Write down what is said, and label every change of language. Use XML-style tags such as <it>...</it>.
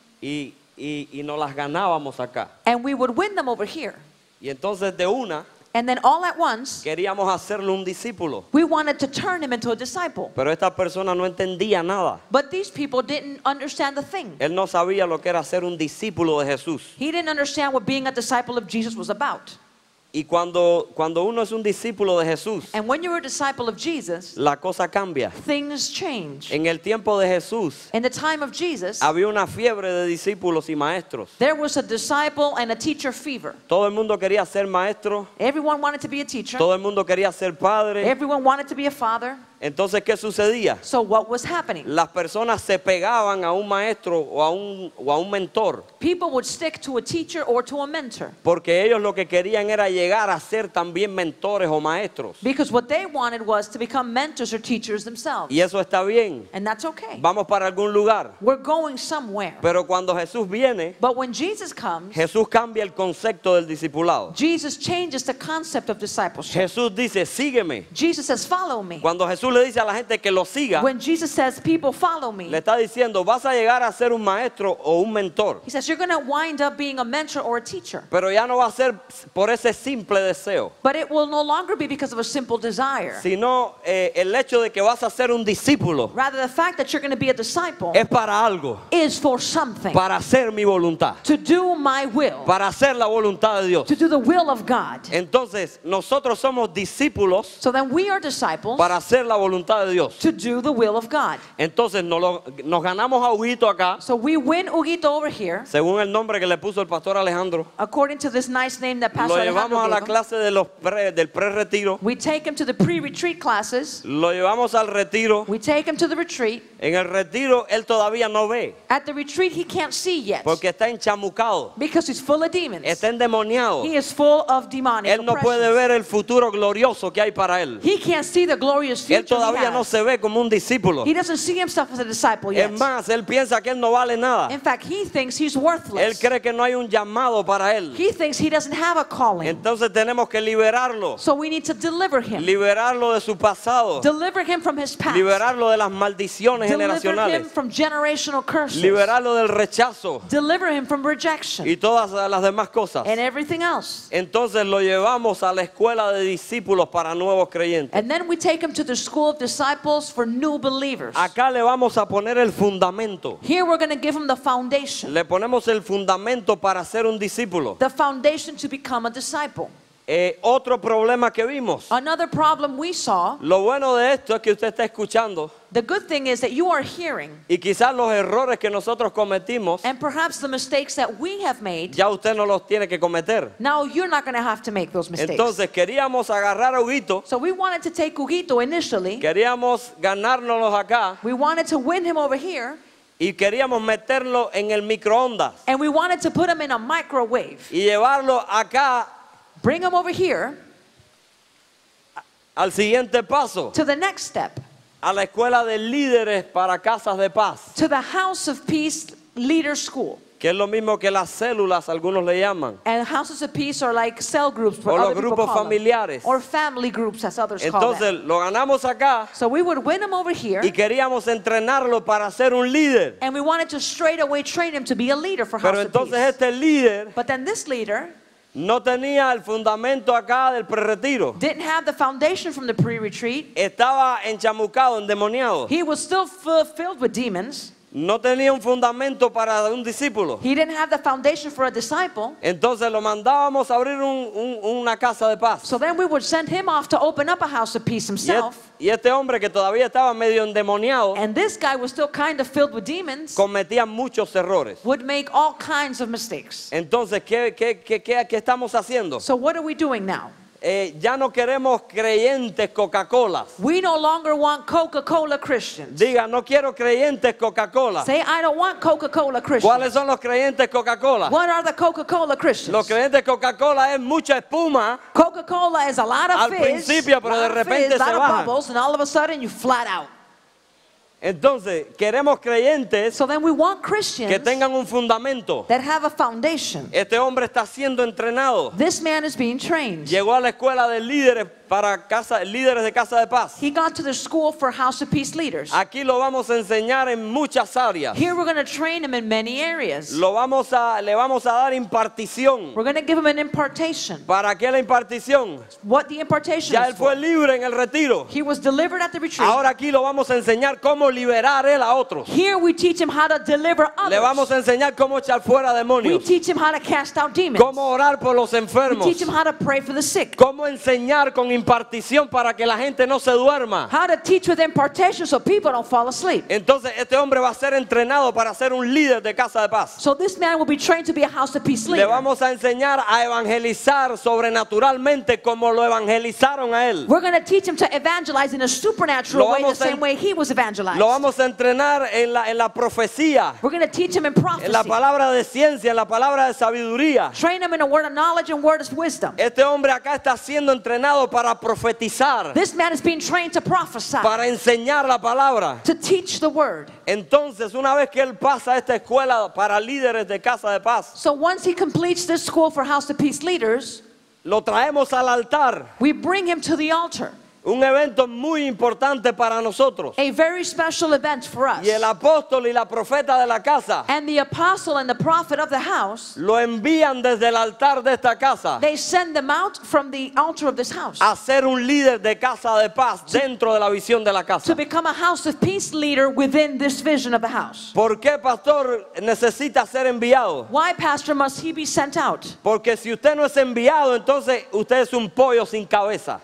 <es>Y nos las ganábamos acá.</es> <en>And we would win them over here.</en> <es>Y entonces de una.</es> <en>And then all at once.</en> <es>Queríamos hacerle un discípulo.</es> <en>We wanted to turn him into a disciple.</en> <es>Pero esta persona no entendía nada.</es> <en>But these people didn't understand the thing.</en> <es>Él no sabía lo que era ser un discípulo de Jesús.</es> <en>He didn't understand what being a disciple of Jesus was about.</en> <es>Y cuando uno es un discípulo de Jesús,</es> <en>and when you're a disciple of Jesus,</en> <es>la cosa cambia.</es> <en>Things change.</en> <es>En el tiempo de Jesús,</es> <en>in the time of Jesus,</en> <es>había una fiebre de discípulos y maestros.</es> <en>There was a disciple and a teacher fever.</en> <es>Todo el mundo quería ser maestro.</es> <en>Everyone wanted to be a teacher.</en> <es>Todo el mundo quería ser padre.</es> <en>Everyone wanted to be a father.</en> <es>Entonces, ¿qué sucedía?</es> <en>So what was happening?</en> <es>Las personas se pegaban a un maestro o a un mentor.</es> <en>People would stick to a teacher or to a mentor.</en> <es>Porque ellos lo que querían era llegar a ser también mentores o maestros.</es> <en>Because what they wanted was to become mentors or teachers themselves.</en> <es>Y eso está bien.</es> <en>And that's okay.</en> <es>Vamos para algún lugar.</es> <en>We're going somewhere.</en> <es>Pero cuando Jesús viene,</es> <en>but when Jesus comes,</en> <es>Jesús cambia el concepto del discipulado.</es> <en>Jesus changes the concept of discipleship.</en> <es>Jesús dice, sígueme.</es> <en>Jesus says, follow me.</en> <es>Cuando Jesús le dice a la gente que lo siga,</es> <en>when Jesus says, people follow me,</en> <es>le está diciendo, vas a llegar a ser un maestro o un mentor.</es> <en>He says, you're going to wind up being a mentor or a teacher.</en> <es>Pero ya no va a ser por ese simple deseo.</es> <en>But it will no longer be because of a simple desire.</en> <es>Sino el hecho de que vas a ser un discípulo.</es> <en>Rather, the fact that you're going to be a disciple</en> <es>es para algo.</es> <en>Is for something.</en> <es>Para hacer mi voluntad.</es> <en>To do my will.</en> <es>Para hacer la voluntad de Dios.</es> <en>To do the will of God.</en> <es>Entonces, nosotros somos discípulos.</es> <en>So then we are disciples.</en> <es>Para hacer la voluntad de Dios.</es> <en>To do the will of God.</en> <es>Entonces nos ganamos a Huguito acá.</es> <en>So we win Huguito over here.</en> <es>Según el nombre que le puso el pastor Alejandro.</es> <en>According to this nice name that Pastor Alejandro.</en> <es>Lo llevamos a la clase de del pre-retiro.</es> <en>We take him to the pre-retreat classes.</en> <es>Lo llevamos al retiro.</es> <en>We take him to the retreat.</en> <es>En el retiro él todavía no ve.</es> <en>At the retreat he can't see yet.</en> <es>Porque está enchamucado.</es> <en>Because he's full of demons.</en> <es>Está endemoniado.</es> <en>He is full of demonic oppression.</en> <es>Él no puede ver el futuro glorioso que hay para él.</es> <en>He can't see the glorious future.</en> <es>Él todavía no se ve como un discípulo.</es> <en>He doesn't see himself as a disciple yet.</en> <es>Es más, él piensa que él no vale nada.</es> <en>In fact, he thinks he's worthless.</en> <es>Él cree que no hay un llamado para él.</es> <en>He thinks he doesn't have a calling.</en> <es>Entonces tenemos que liberarlo.</es> <en>So we need to deliver him.</en> <es>Liberarlo de su pasado.</es> <en>Deliver him from his past.</en> <es>Liberarlo de las maldiciones.</es> <en>Deliver him from generational curses.</en> <es>Liberarlo del rechazo.</es> <en>Deliver him from rejection.</en> <es>Y todas las demás cosas.</es> <en>And everything else.</en> <es>Entonces lo llevamos a la escuela de discípulos para nuevos creyentes.</es> <en>And then we take him to the school of disciples for new believers.</en> <es>Acá le vamos a poner el fundamento.</es> <en>Here we're going to give him the foundation.</en> <es>Le ponemos el fundamento para ser un discípulo.</es> <en>The foundation to become a disciple.</en> <es>Otro problema que vimos.</es> <en>Another problem we saw.</en> <es>Lo bueno de esto es que usted está escuchando.</es> <en>The good thing is that you are hearing.</en> <es>Y quizás los errores que nosotros cometimos.</es> <en>And perhaps the mistakes that we have made.</en> <es>Ya usted no los tiene que cometer.</es> <en>Now you're not going to have to make those mistakes.</en> <es>Entonces queríamos agarrar a Huguito.</es> <en>So we wanted to take Huguito initially.</en> <es>Queríamos ganárnoslo acá.</es> <en>We wanted to win him over here.</en> <es>Y queríamos meterlo en el microondas.</es> <en>And we wanted to put him in a microwave.</en> <es>Y llevarlo acá.</es> <en>Bring him over here.</en> <es>Al siguiente paso.</es> <en>To the next step.</en> <es>A la escuela de líderes para casas de paz.</es> <en>To the House of Peace Leader School.</en> <es>Que es lo mismo que las células, algunos le llaman.</es> <en>And houses of peace are like cell groups for</en> <es>o los grupos familiares.</es> <en>Or family groups, as others</en> <es>entonces,</es> <en>call them.</en> <es>Lo ganamos acá.</es> <en>So we would win him over here.</en> <es>Y queríamos entrenarlo para ser un líder.</es> <en>And we wanted to straight away train him to be a leader for</en> <es>pero</es> <en>House</en> <es>entonces</es> <en>of Peace.</en> <es>Este líder.</es> <en>But then this leader.</en> <es>No tenía el fundamento acá del pre-retiro.</es> <en>Didn't have the foundation from the pre-retreat.</en> <es>Estaba enchamucado, endemoniado.</es> <en>He was still filled with demons.</en> <es>No tenía un fundamento para un discípulo.</es> <en>He didn't have the foundation for a disciple.</en> <es>Entonces lo mandábamos a abrir una casa de paz.</es> <en>So then we would send him off to open up a house of peace himself.</en> <es>Y este hombre que todavía estaba medio endemoniado.</es> <en>And this guy was still kind of filled with demons.</en> <es>Cometía muchos errores.</es> <en>Would make all kinds of mistakes.</en> <es>Entonces, ¿qué estamos haciendo?</es> <en>So what are we doing now?</en> <es>Ya no queremos creyentes Coca-Cola.</es> <en>We no longer want Coca-Cola Christians.</en> <es>Diga, no quiero creyentes Coca-Cola.</es> <en>Say, I don't want Coca-Cola Christians.</en> <es>¿Cuáles son los creyentes Coca-Cola?</es> <en>What are the Coca-Cola Christians?</en> <es>Los creyentes Coca-Cola es mucha espuma.</es> <en>Coca-Cola is a lot of</en> <es>al principio,</es> <en>fizz,</en> <es>pero de repente</es> <en>fizz,</en> <es>se baja.</es> <en>A lot of bubbles, and all of a sudden you flat out.</en> <es>Entonces, queremos creyentes</es> <en>so then we want Christians</en> <es>que tengan un fundamento.</es> <en>That have a foundation.</en> <es>Este hombre está siendo entrenado.</es> <en>This man is being trained.</en> <es>Llegó a la escuela de líderes para casa, líderes de casa de paz.</es> <en>He got to the school for House of Peace leaders.</en> <es>Aquí lo vamos a enseñar en muchas áreas.</es> <en>Here we're going to train him in many areas.</en> <es>Le vamos a dar impartición.</es> <en>We're going to give him an impartation.</en> <es>¿Para qué la impartición?</es> <en>What the impartation</en> <es>ya él fue</es> <en>for.</en> <es>Libre en el retiro.</es> <en>He was delivered at the retreat.</en> <es>Ahora aquí lo vamos a enseñar cómo liberar él a otros.</es> <en>Here we teach him how to deliver others.</en> <es>Le vamos a enseñar cómo echar fuera demonios.</es> <en>We teach him how to cast out demons.</en> <es>Cómo orar por los enfermos.</es> <en>We teach him how to pray for the sick.</en> <es>Cómo enseñar con impartición para que la gente no se duerma.</es> <en>How to teach with impartation so people don't fall asleep.</en> <es>Entonces este hombre va a ser entrenado para ser un líder de casa de paz.</es> <en>So this man will be trained to be a House of Peace leader.</en> <es>Le vamos a enseñar a evangelizar sobrenaturalmente como lo evangelizaron a él.</es> <en>We're going to teach him to evangelize in a supernatural way the same way he was evangelized.</en> <es>Lo vamos a entrenar en la profecía.</es> <en>We're going to teach him in prophecy.</en> <es>En la palabra de ciencia, en la palabra de sabiduría.</es> <en>Train him in a word of knowledge and word of wisdom.</en> <es>Este hombre acá está siendo entrenado para profetizar.</es> <en>This man is being trained to prophesy.</en> <es>Para enseñar la palabra.</es> <en>To teach the word.</en> <es>Entonces, una vez que él pasa esta escuela para líderes de casa de paz.</es> <en>So once he completes this school for House of Peace leaders.</en> <es>Lo traemos al altar.</es> <en>We bring him to the altar.</en> <es>Un evento muy importante para nosotros.</es> <en>A very special event for us.</en> <es>Y el apóstol y la profeta de la casa.</es> <en>And the apostle and the prophet of the house.</en> <es>Lo envían desde el altar de esta casa.</es> <en>They send them out from the altar of this house.</en> <es>A ser un líder de casa de paz dentro de la visión de la casa.</es> <en>To become a House of Peace leader within this vision of the house.</en> <es>¿Por qué pastor necesita ser enviado?</es> <en>Why pastor must he be sent out?</en> <es>Porque si usted no es enviado, entonces usted es un pollo sin cabeza.</es>